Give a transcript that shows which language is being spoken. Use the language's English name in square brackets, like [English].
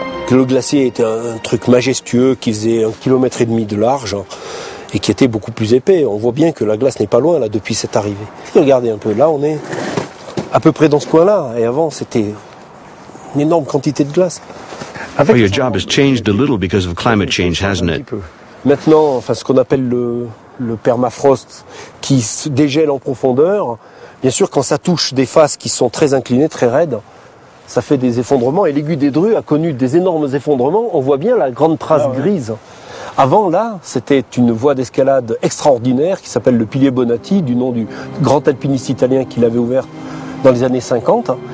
[French] Le glacier était un truc majestueux qui faisait 1,5 km de large et qui était beaucoup plus épais. On voit bien que la glace n'est pas loin là depuis cette arrivée. Regardez un peu, là on est à peu près dans ce coin-là. Et avant c'était une énorme quantité de glace. [English] Well, your job has changed a little because of climate change, hasn't it? [French] Maintenant, enfin, ce qu'on appelle le permafrost qui se dégèle en profondeur, bien sûr quand ça touche des faces qui sont très inclinées, très raides, ça fait des effondrements et l'aiguille des Drues a connu des énormes effondrements. On voit bien la grande trace grise. Avant, là, c'était une voie d'escalade extraordinaire qui s'appelle le Pilier Bonatti, du nom du grand alpiniste italien qui l'avait ouvert dans les années 50.